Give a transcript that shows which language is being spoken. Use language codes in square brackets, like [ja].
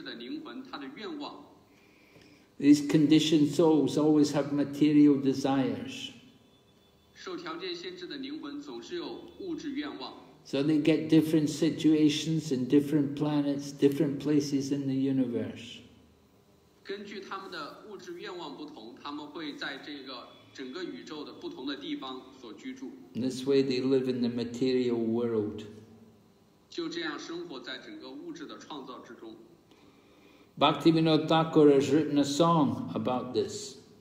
[zh] 这个物质世界创造是因为受条件限制的灵魂，他的愿望。 [en] These conditioned souls always have material desires. [zh] 受条件限制的灵魂总是有物质愿望。 [en] So they get different situations in different planets, different places in the universe. [zh] 根据他们的物质愿望不同，他们会在这个 [en] This way they live in the material world. Bhaktivinoda Thakur has written a song about this.